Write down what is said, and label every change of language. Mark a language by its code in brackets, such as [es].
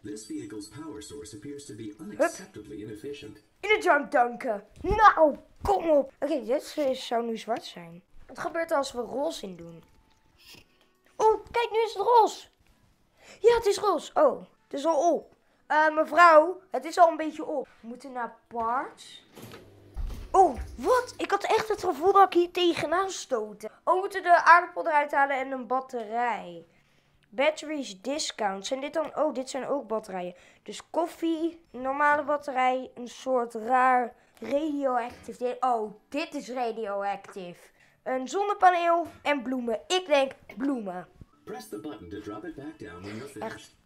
[en] This vehicle's power source appears to be unacceptably inefficient. [nl] In de junk dunken. Nou, kom op. Oké, dit zou nu zwart zijn. Wat gebeurt er als we roze in doen? Oh, kijk, nu is het roze. Ja, het is roze. Oh, het is al op. Mevrouw, het is al een beetje op. We moeten naar parts. Oh, wat? Ik had echt het gevoel dat ik hier tegenaan stootte. Oh, we moeten de aardappel eruit halen en een batterij. [en] Batteries discount. [nl] Zijn dit dan... Oh, dit zijn ook batterijen. Dus koffie, normale batterij, een soort raar radioactief. Oh, dit is radioactief. Een zonnepaneel en bloemen. Ik denk bloemen. [en] Press the button to drop it back down when you're finished. Echt.